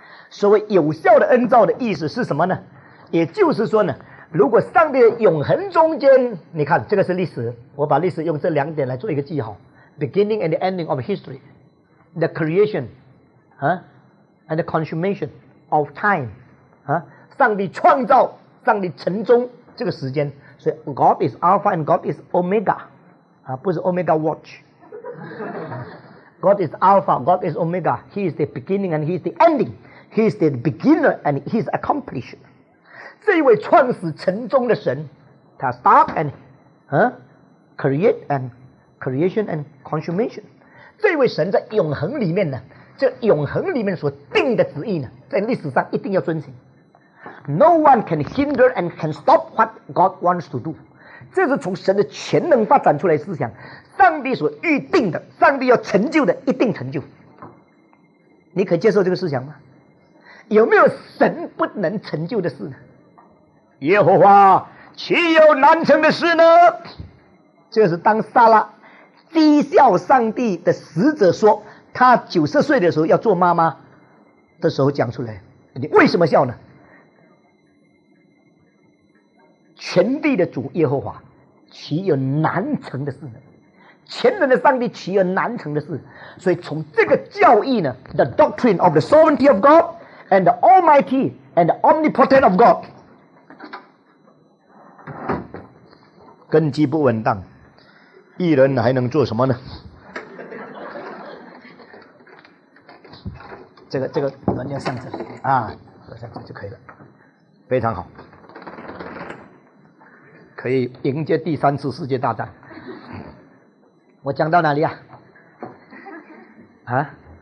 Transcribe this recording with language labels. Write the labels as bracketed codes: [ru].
[zh] 所谓有效的恩召的意思是什么呢？也就是说呢，如果上帝的永恒中间，你看这个是历史，我把历史用这两点来做一个记号， [en] Beginning and the ending of history, the creation, and the consummation of time, [zh] 上帝创造，上帝成终这个时间，所以 [en] God is Alpha and God is Omega, [zh] 不是 Omega Watch. [en] God is Alpha, God is Omega. He is the beginning and He is the ending. He is the beginner and He is accomplished. [zh] 这一位创始成终的神，他 [en] start and create and creation and consummation， [zh] 这位神在永恒里面呢，这永恒里面所定的旨意呢，在历史上一定要遵行。 [en] No one can hinder and can stop what God wants to do。 [zh] 这是从神的全能发展出来的思想，上帝所预定的，上帝要成就的，一定成就。你可以接受这个思想吗？有没有神不能成就的事呢？耶和华岂有难成的事呢？这是当撒拉讥笑上帝的使者说他90岁的时候要做妈妈，的时候讲出来，你为什么笑呢？全地的主耶和华岂有难成的事呢？全能的上帝岂有难成的事？所以从这个教义呢， [en] The doctrine of the sovereignty of God [zh] and the almighty and the omnipotent of God 根基不稳当，一人还能做什么呢？这个轮要上去啊，上去就可以了，非常好，可以迎接第三次世界大战。我讲到哪里啊？啊？